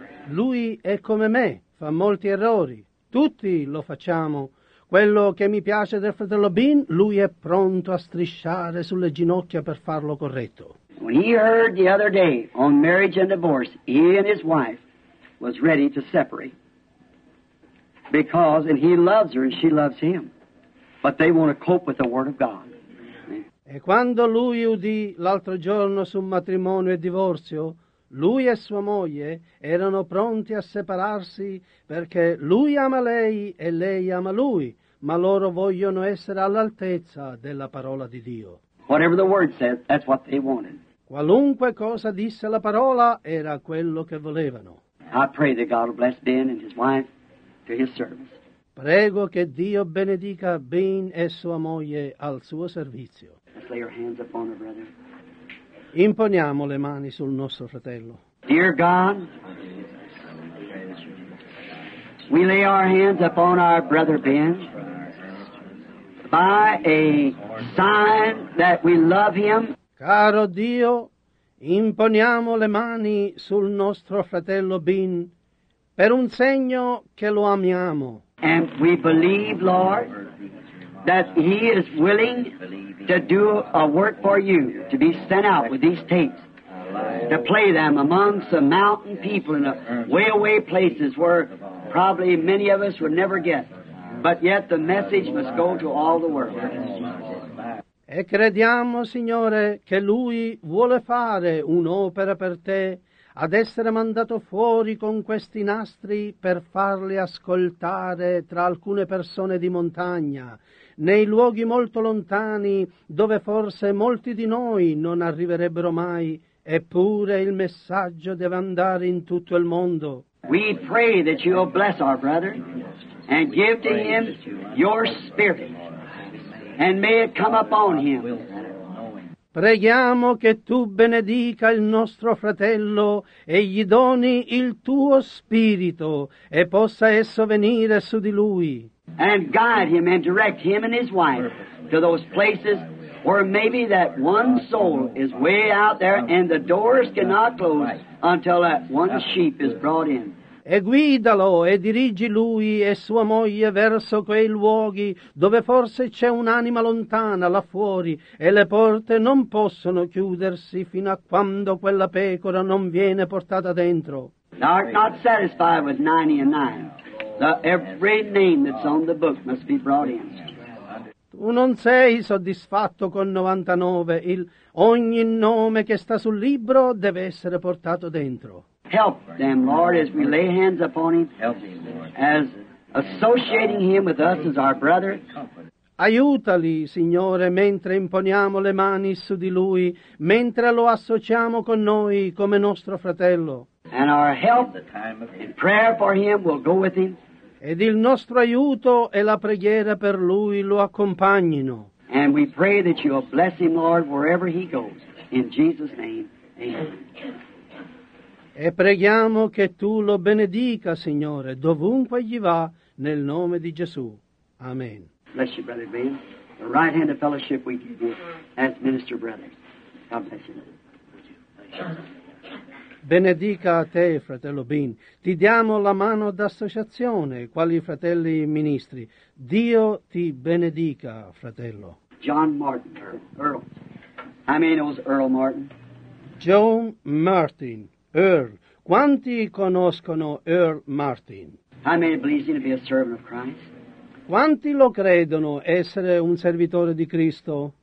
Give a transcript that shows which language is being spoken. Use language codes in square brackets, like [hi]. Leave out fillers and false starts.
[it] Lui è come me, fa molti errori. Tutti lo facciamo. Quello che mi piace del fratello Bean, lui è pronto a strisciare sulle ginocchia per farlo corretto. [en] When he heard the other day on marriage and divorce, he and his wife was ready to separate. Because, and he loves her and she loves him, but they want to cope with the word of God. [it] E quando lui udì l'altro giorno su matrimonio e divorzio, lui e sua moglie erano pronti a separarsi perché lui ama lei e lei ama lui, ma loro vogliono essere all'altezza della parola di Dio. [en] Whatever the word said, that's what they wanted. [it] Qualunque cosa disse la parola era quello che volevano. [en] I pray that God will bless Ben and his wife to his service. [it] Prego che Dio benedica Ben e sua moglie al suo servizio. [en] Let's lay your hands upon her, brother. [it] Imponiamo le mani sul nostro fratello. [en] Dear God, we lay our hands upon our brother Ben by a sign that we love him. [it] Caro Dio, imponiamo le mani sul nostro fratello Ben per un segno che lo amiamo. [en] And we believe, Lord, that he is willing to do a work for you, to be sent out with these tapes, to play them among some mountain people in a way away places where probably many of us would never get. But yet the message must go to all the world. [it] E crediamo, Signore, che Lui vuole fare un'opera per te, ad essere mandato fuori con questi nastri per farli ascoltare tra alcune persone di montagna, nei luoghi molto lontani dove forse molti di noi non arriverebbero mai, eppure il messaggio deve andare in tutto il mondo. [en] We pray that you will bless our brother and give to him your spirit. And may it come upon him. [it] Preghiamo che tu benedica il nostro fratello e gli doni il tuo spirito e possa esso venire su di lui. [en] And guide him and direct him and his wife to those places where maybe that one soul is way out there and the doors cannot close until that one sheep is brought in. [it] E guidalo e dirigi lui e sua moglie verso quei luoghi dove forse c'è un'anima lontana là fuori e le porte non possono chiudersi fino a quando quella pecora non viene portata dentro. [en] Thou art not satisfied with 99. The every name that's on the book must be brought in. [it] Tu non sei soddisfatto con 99. Ogni nome che sta sul libro deve essere portato dentro. [en] Help them, Lord, as we lay hands upon him, as associating him with us as our brother. [it] Aiutali, Signore, mentre imponiamo le mani su di lui, mentre lo associamo con noi come nostro fratello. [en] And our help and prayer for him will go with him. [it] Ed il nostro aiuto e la preghiera per lui lo accompagnino. [en] And we pray that you will bless him, Lord, wherever he goes. In Jesus' name, amen. [it] E preghiamo che tu lo benedica, Signore, dovunque gli va, nel nome di Gesù. Amen. [en] Bless you, Brother Ben. The right hand of fellowship we give you as minister brothers. God bless you. [it] Benedica a te, fratello Bean. Ti diamo la mano d'associazione, quali fratelli ministri. Dio ti benedica, fratello. [en] John Martin, Earl. How many knows Earl Martin? John Martin, Earl. [it] Quanti conoscono Earl Martin? [en] How many believe him to be a servant of Christ? [it] Quanti lo credono essere un servitore di Cristo?